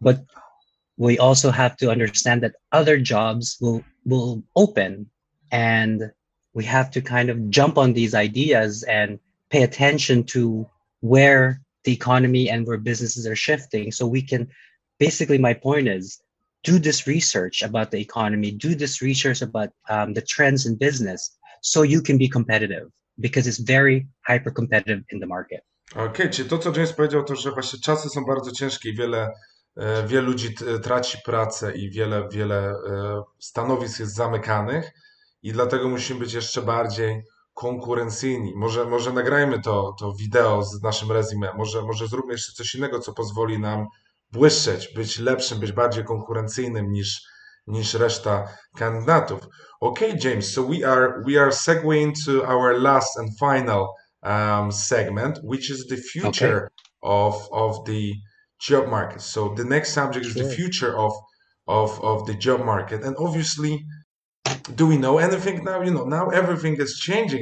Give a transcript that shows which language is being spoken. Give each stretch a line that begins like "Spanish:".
English: But we also have to understand that other jobs will open, and we have to kind of jump on these ideas and pay attention to where the economy and where businesses are shifting. So we can, basically, my point is, do this research about the economy, do this research about the trends in business, so you can be competitive, because it's very hyper competitive in the market.
Polish: Okay, czyli to, co James powiedział, to, że właśnie czasy są bardzo ciężkie i wielu ludzi traci pracę i wiele stanowisk jest zamykanych i dlatego musimy być jeszcze bardziej konkurencyjni. Może nagrajmy to wideo z naszym resume, może zróbmy jeszcze coś innego, co pozwoli nam błyszczeć, być lepszym, być bardziej konkurencyjnym niż reszta kandydatów.
English: Okay, James, so we are segueing to our last and final segment, which is the future of the job market. So the next subject is the future of the job market. And obviously, do we know anything now? You know, now everything is changing.